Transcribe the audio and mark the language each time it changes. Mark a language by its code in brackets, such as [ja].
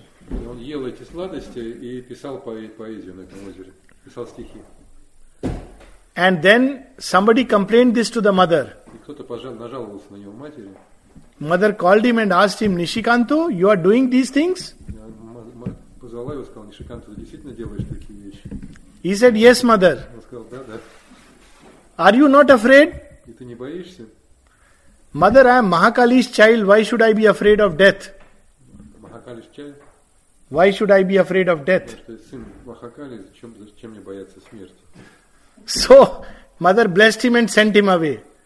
[ru] Он ел эти сладости и писал поэзию на этом озере. Писал стихи. [en] And then somebody complained this to the mother. [ru] И кто-то нажаловался на него матери. [en] Mother called him and asked him, "Nishikanto, you are doing these things?" [ru] Позвала его и сказала, "Nishikanto, ты действительно делаешь такие вещи?" [en] He said, "Yes, mother." [ru] Он сказал, "Да, да." [en] Are you not afraid? [ru] И ты не боишься? [en] Mother, I am Mahakali's child. Why should I be afraid of death? Mahakali's child. Why should I be afraid of death? [ru] Сын Махакали, зачем мне бояться смерти? [en] So, mother blessed him and sent him away.